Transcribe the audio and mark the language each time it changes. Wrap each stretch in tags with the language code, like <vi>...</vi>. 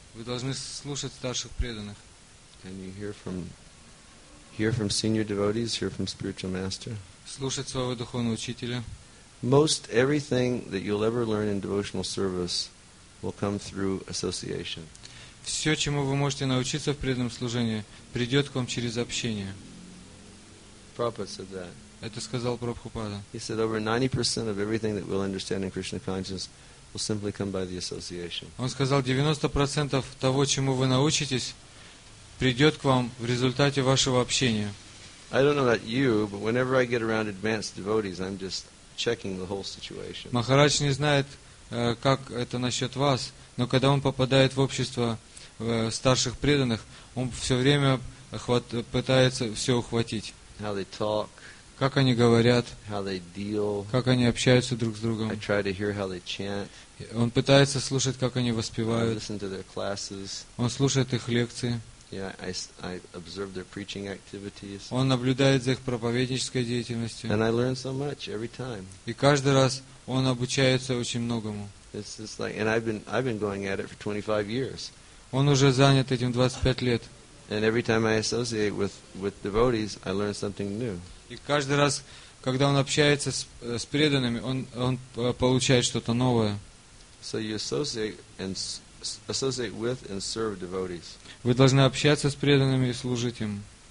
<ru>Вы должны слушать старших преданных.</ru> <en>Can you hear from senior devotees, hear from spiritual master?</en> <ru>Слушать своего духовного учителя.</ru> <en>Most everything that you'll ever learn in devotional service will come through association.</en> <ru>Все, чему вы можете научиться в преданном служении, придет к вам через общение.</ru> <en>Prabhupada said that.</en> <ru>Это сказал Прабхупада.</ru> <en>He said over 90% of everything that we'll understand in Krishna consciousness will simply come by the association.</en> <ru>Он сказал, 90% того, чему вы научитесь, придет к вам в результате вашего общения.</ru> <en>I don't know about you, but whenever I get around advanced devotees, I'm just checking the whole situation.</en> <ru>Махарадж не знает, как это насчет вас. Но когда он попадает в общество старших преданных, он все время пытается все ухватить.</ru> <en>How they talk,</en> <ru>как они говорят,</ru> <en>how they deal,</en> <ru>как они общаются друг с другом.</ru> <en>I try to hear how they chant,</en> <ru>он пытается слушать, как они воспевают.</ru> <en>I listen to their classes,</en> <ru>он слушает их лекции.</ru> <en>Yeah, I observe their preaching activities,</en> <ru>он наблюдает за их проповеднической деятельностью.</ru> <en>And I learn so much every time.</en> <ru>И каждый раз он обучается очень многому.</ru> <en>It's just like, and I've been going at it for 25 years.</en> <ru>Он уже занят этим 25 лет.</ru> <en>And every time I associate with devotees, I learn something new.</en> <ru>И каждый раз, когда он общается с преданными, он получает что-то новое.</ru> <en>So you associate with and serve devotees.</en> <ru>Вы должны общаться с преданными и служить им.</ru>